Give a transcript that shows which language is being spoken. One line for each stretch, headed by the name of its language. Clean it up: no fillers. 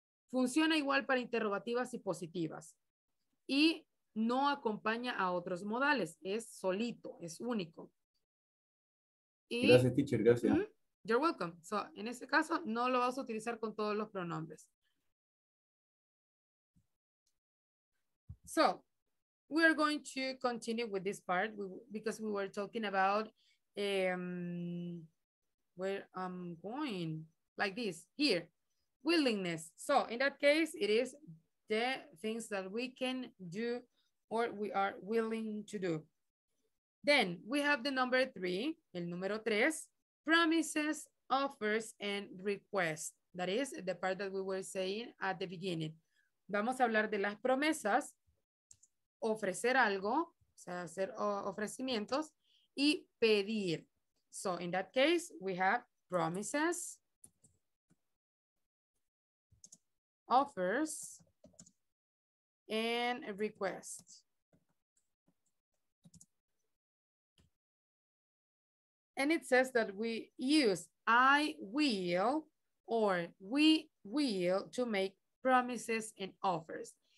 Spanish: Funciona igual para interrogativas y positivas. Y no acompaña a otros modales, es solito, es único. Y, gracias, teacher, gracias.
English: Mm-hmm, you're welcome.
Spanish: So, en este caso, no lo vas a utilizar con todos los pronombres.
English: So, we are going to continue with this part because we were talking about where I'm going, like this, here, willingness. So, in that case, it is the things that we can do or we are willing to do. Then we have the number three,
Spanish: el número tres,
English: promises, offers, and requests. That is the part that we were saying at the beginning.
Spanish: Vamos a hablar de las promesas, ofrecer algo, o sea, hacer ofrecimientos, y pedir.
English: So in that case, we have promises, offers, and requests. And it says that we use I will or we will to make promises and offers.